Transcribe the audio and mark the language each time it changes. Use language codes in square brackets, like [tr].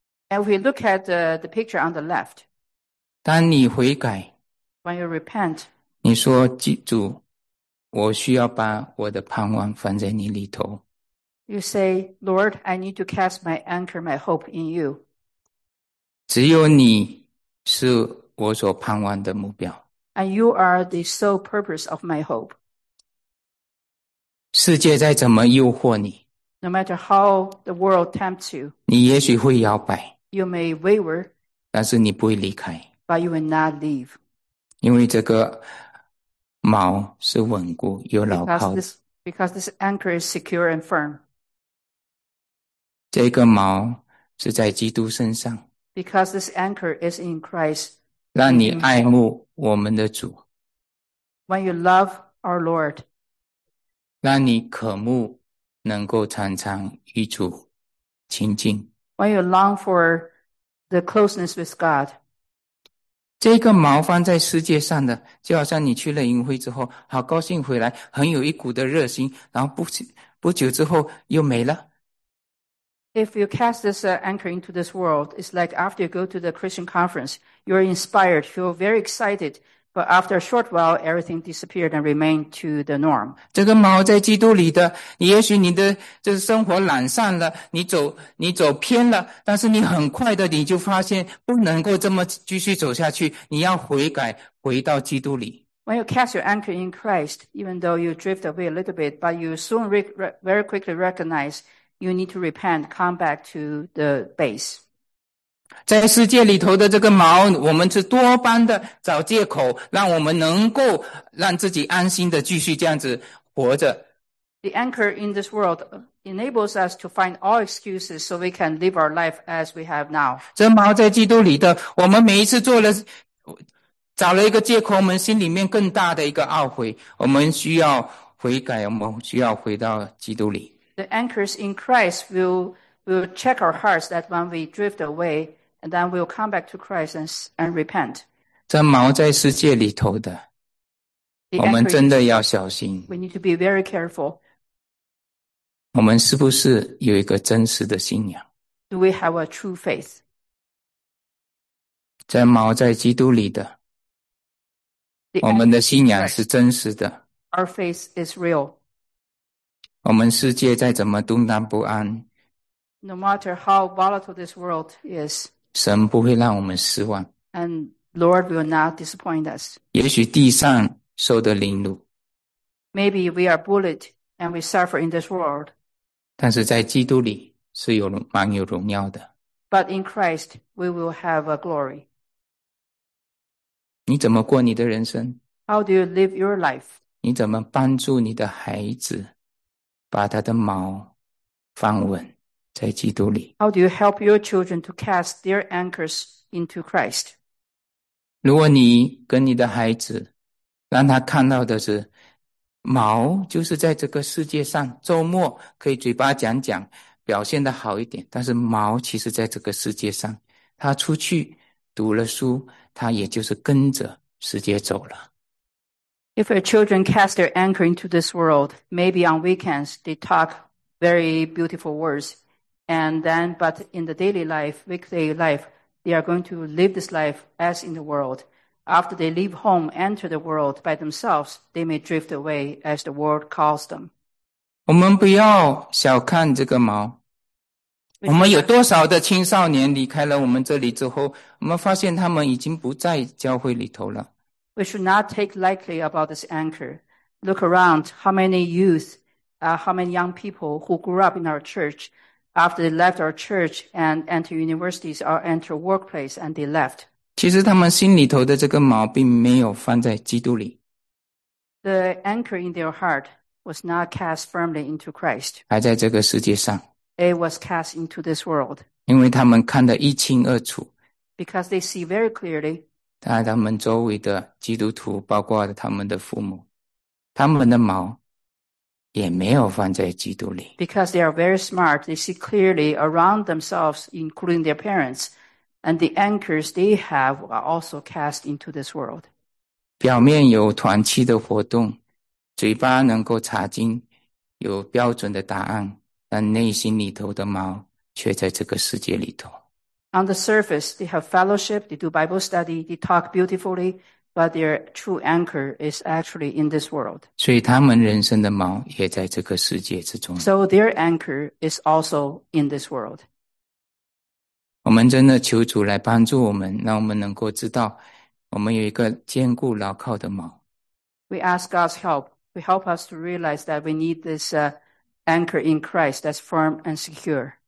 [en] And if we look at the picture on the left. [zh] 当你悔改。 [en] When you repent. [zh] 你说记住。我需要把我的盼望放在你里头。 [en] You say, Lord, I need to cast my anchor, my hope in you. [zh] 只有你是我所盼望的目标。 [en] And you are the sole purpose of my hope. [zh] 世界再怎么诱惑你。 [en] No matter how the world tempts you. [zh] 你也许会摇摆。 [en] You may waver. [zh] 但是你不会离开。 [en] But you will not leave. [zh] 因为这个锚是稳固有牢靠的。 [en] Because this anchor is secure and firm. [zh] 这个锚是在基督身上。 [en] Because this anchor is in Christ. [zh] 让你爱慕我们的主。 [en] When you love our Lord. [zh] 让你渴慕能够常常与主亲近。 [en] When you long for the closeness with God. [zh] 这个锚放在世界上的，就好像你去了营会之后，好高兴回来，很有一股的热心，然后不久之后又没了。 [en] If you cast this anchor into this world, it's like after you go to the Christian conference, you're inspired, feel very excited, but after a short while, everything disappeared and remained to the norm. [zh] 这个锚在基督里的，你也许你的这生活懒散了，你走偏了，但是你很快的你就发现不能够这么继续走下去，你要悔改回到基督里。 [en] When you cast your anchor in Christ, even though you drift away a little bit, but you soon very quickly recognize you need to repent, come back to the base. [zh] 在世界里头的这个锚，我们是多般的找借口，让我们能够让自己安心的继续这样子活着。 [en] The anchor in this world enables us to find all excuses so we can live our life as we have now. [zh] 这锚在基督里的，我们每一次找了一个借口，我们心里面更大的一个懊悔，我们需要悔改，我们需要回到基督里。 [en] The anchors in Christ will check our hearts that when we drift away, and then we'll come back to Christ and repent. [zh] 这锚在世界里头的，我们真的要小心。 [en] We need to be very careful. [zh] 我们是不是有一个真实的信仰？ [en] Do we have a true faith? [zh] 这锚在基督里的，我们的信仰是真实的。 [en] Our faith is real. [zh] 我们世界再怎么动荡不安， [en] No matter how volatile this world is, [zh] 神不会让我们失望。 [en] And Lord will not disappoint us. [zh] 也许地上受的凌辱。 [en] Maybe we are bullied and we suffer in this world. [zh] 但是在基督里是有蛮有荣耀的。 [en] But in Christ, we will have a glory. [zh] 你怎么过你的人生？ [en] How do you live your life? [zh] 你怎么帮助你的孩子把他的锚放稳？在基督里。 [en] How do you help your children to cast their anchors into Christ? [zh] 如果你跟你的孩子让他看到的是锚就是在这个世界上，周末可以嘴巴讲讲表现得好一点，但是锚其实在这个世界上，他出去读了书，他也就是跟着世界走了。 [en] If your children cast their anchor into this world, maybe on weekends they talk very beautiful words,And then, but in the daily life, weekday life, they are going to live this life as in the world. After they leave home, enter the world by themselves, they may drift away as the world calls them. [zh] 我们不要小看这个锚。我们有多少的青少年离开了我们这里之后，我们发现他们已经不在教会里头了。 [en] We should not take lightly about this anchor. Look around, how many young people who grew up in our church,After they left our church and enter universities or enter workplace and they left. [zh] 其实他们心里头的这个锚并没有放在基督里。 [en] The anchor in their heart was not cast firmly into Christ. [zh] 还在这个世界上。 [en] It was cast into this world. [zh] 因为他们看得一清二楚。 [en] Because they see very clearly. [zh] 他们周围的基督徒，包括他们的父母，他们的毛也没有放在基督里。 [en] Because they are very smart, they see clearly around themselves, including their parents, and the anchors they have are also cast into this world. [zh] 表面有团契的活动，嘴巴能够查经，有标准的答案，但内心里头的毛却在这个世界里头。 [en] On the surface, they have fellowship, they do Bible study, they talk beautifully, but their true anchor is actually in this world. [zh] 所以他们人生的锚也在这个世界之中。 [en] So their anchor is also in this world. [zh] 我们真的求主来帮助我们，让我们能够知道我们有一个坚固牢靠的锚。 [en] We ask God's help. We help us to realize that we need this anchor in Christ that's firm and secure.